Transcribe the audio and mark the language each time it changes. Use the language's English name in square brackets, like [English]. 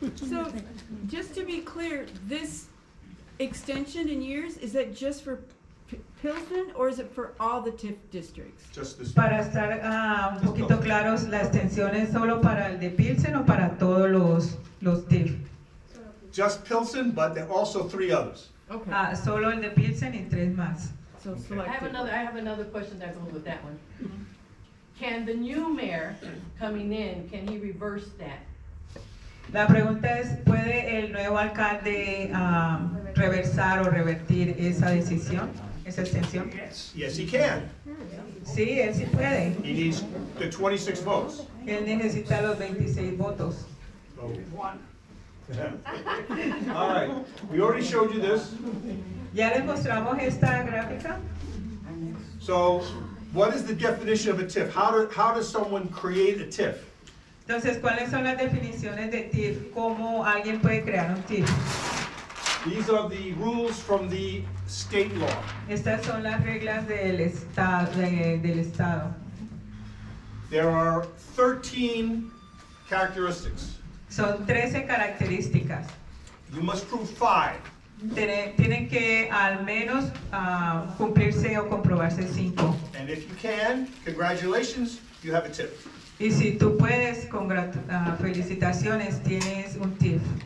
[English] So, just to be clear, this extension in years, is that just for Pilsen or is it for all the TIF districts? Just this. [Spanish] Para estar un poquito claros, ¿la extensión es solo para el de Pilsen o para todos los TIF? [English] Just Pilsen, but there are also three others. [Spanish] Okay. Solo el de Pilsen y tres más. [English] So I have another question that goes with that one. Mm-hmm. Can the new mayor coming in, can he reverse that? [Spanish] La pregunta es, ¿puede el nuevo alcalde reversar o revertir esa decisión, esa extensión? [English] Yes, he can. [Spanish] Sí, él sí puede. [English] He needs the 26 votes. [Spanish] Él necesita los 26 votos. [English] Oh. All right, we already showed you this. [Spanish] Ya les mostramos esta gráfica. [English] So, what is the definition of a TIF? How does someone create a TIF? [Spanish] Entonces, ¿cuáles son las definiciones de TIF? ¿Cómo alguien puede crear un TIF? [English] These are the rules from the state law. [Spanish] Estas son las reglas del estado. [English] There are 13 characteristics. [Spanish] Son 13 características. [English] You must prove 5. [Spanish] Tienen que al menos cumplirse o comprobarse 5. [English] And if you can, congratulations, you have a TIF. [Spanish] Y si tú puedes, felicitaciones, tienes un TIF.